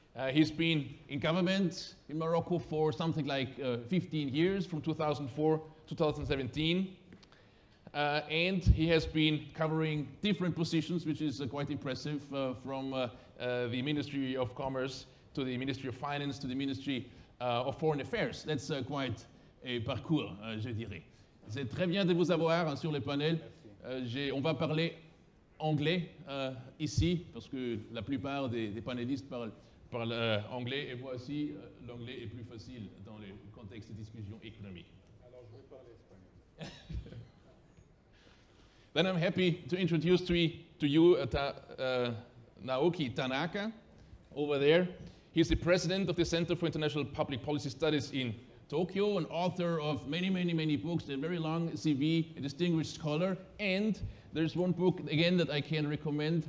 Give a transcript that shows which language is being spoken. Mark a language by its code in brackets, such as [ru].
[en] He's been in government in Morocco for something like 15 years, from 2004 to 2017. And he has been covering different positions, which is quite impressive, from the Ministry of Commerce to the Ministry of Finance to the Ministry of Foreign Affairs. That's quite a parcours, [fr] je dirais. C'est très bien de vous avoir sur le panel. On va parler anglais ici, parce que la plupart des panélistes parlent anglais, et voici, l'anglais est plus facile dans le contexte de discussion économique. Alors, je vais parler espagnol. [en] Then I'm happy to introduce Naoki Tanaka, over there. He's the president of the Center for International Public Policy Studies in Tokyo, an author of many, many, many books, a very long CV, a distinguished scholar, and there's one book, again, that I can recommend.